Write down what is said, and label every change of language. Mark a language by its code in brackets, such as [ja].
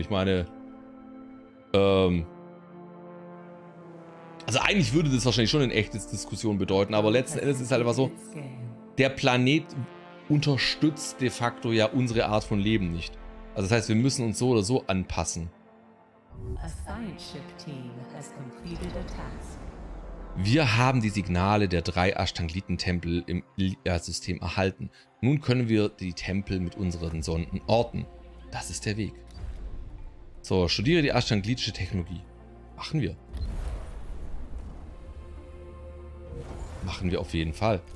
[de] Ich meine, also eigentlich würde das wahrscheinlich schon eine echte Diskussion bedeuten, aber letzten Endes ist es halt einfach so, der Planet unterstützt de facto ja unsere Art von Leben nicht. Also das heißt, wir müssen uns so oder so anpassen. [en] A science ship team has completed a task. [de] Wir haben die Signale der 3 Ashtangliten-Tempel im Ilya-System erhalten. Nun können wir die Tempel mit unseren Sonden orten. Das ist der Weg. So, studiere die ashtanglitische Technologie. Machen wir auf jeden Fall.